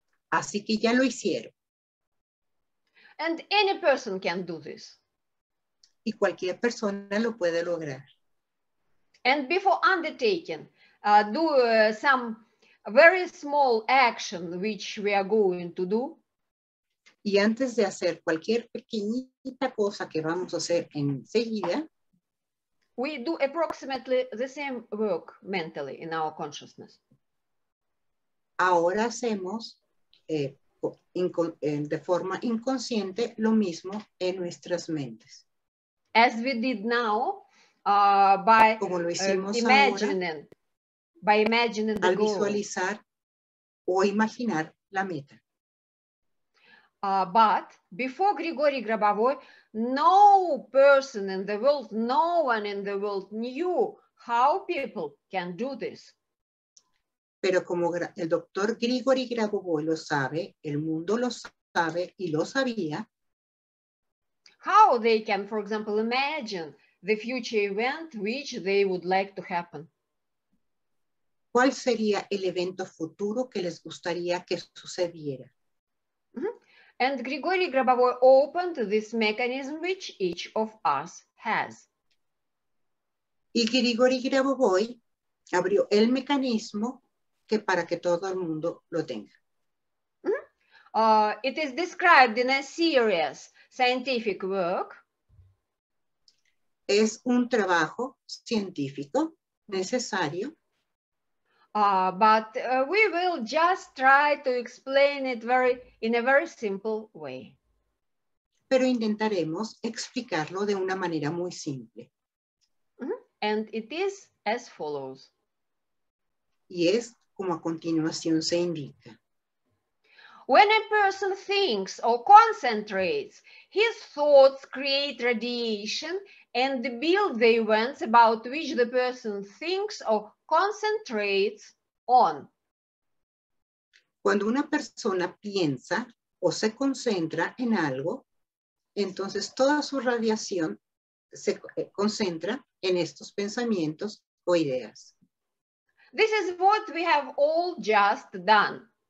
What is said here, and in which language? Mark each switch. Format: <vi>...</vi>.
<es>Así que ya lo hicieron.</es> <en>And any person can do this.</en> <es>Y cualquier persona lo puede lograr.</es> <en>And before undertaking, do some very small action which we are going to do.</en> <es>Y antes de hacer cualquier pequeñita cosa que vamos a hacer enseguida,</es> <en>we do approximately the same work mentally in our consciousness.</en> <es>Ahora hacemos de forma inconsciente lo mismo en nuestras mentes.</es> <en>As we did now,</en> <es>como lo hicimos</es> <en>imagining,</en> <es>ahora,</es> <en>by imagining the</en> <es>al visualizar</es> <en>goal.</en> <es>O imaginar la meta.</es> <en>But before Grigori Grabovoi, no person in the world, no one in the world knew how people can do this.</en> <es>Pero como el doctor Grigori Grabovoi lo sabe, el mundo lo sabe y lo sabía.</es> <en>How they can, for example, imagine the future event which they would like to happen?</en> <es>¿Cuál sería el evento futuro que les gustaría que sucediera?</es> <en>And Grigori Grabovoi opened this mechanism which each of us has.</en> <es>Y Grigori Grabovoi abrió el mecanismo que para que todo el mundo lo tenga.</es> <en>It is described in a serious scientific work.</en> <es>Es un trabajo científico necesario.</es> <en>But we will just try to explain it in a very simple way.</en> <es>Pero intentaremos explicarlo de una manera muy simple.</es> <en>And it is as follows.</en> <es>Y es como a continuación se indica.</es> <en>When a person thinks or concentrates, his thoughts create radiation and build the events about which the person thinks or concentrates on.</en> <es>Cuando una persona piensa o se concentra en algo, entonces toda su radiación se concentra en estos pensamientos o ideas.</es> <en>This is what we have all just done.</en>